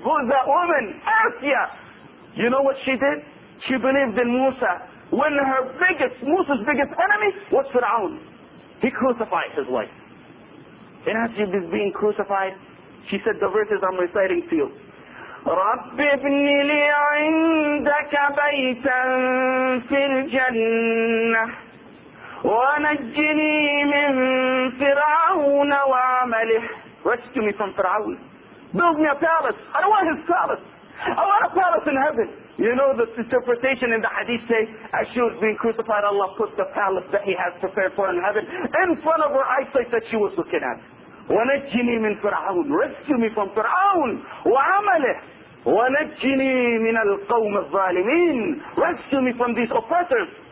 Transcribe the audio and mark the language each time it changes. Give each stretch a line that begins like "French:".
English: Who is that woman? Asiya. You know what she did? She believed in Musa. When her biggest, Musa's biggest enemy was Fir'aun. He crucified his wife. And as she was being crucified, she said the verses I'm reciting to you.
Arabic: رَبِّ ابْنِ لِي عِندَكَ بَيْتًا فِي الْجَنَّةِ وَنَجِّنِي مِن فِرْعَوْنَ وَعَمَلِهِ
English: Rescue me from Fir'aun. Build me a palace. I don't want his palace. I want a palace in heaven. You know the interpretation in the hadith say, as she was being crucified, Allah put the palace that he has prepared for in heaven in front of her eyesight that she was looking at.
Arabic: وَنَجِّنِي مِن فِرْعَوْنَ
English: Rescue me from Fir'aun.
Arabic: وَعَمَلِهِ وَنَجِّنِي مِنَ الْقَوْمِ الظَّالِمِينَ
English: Rescue me from these oppressors.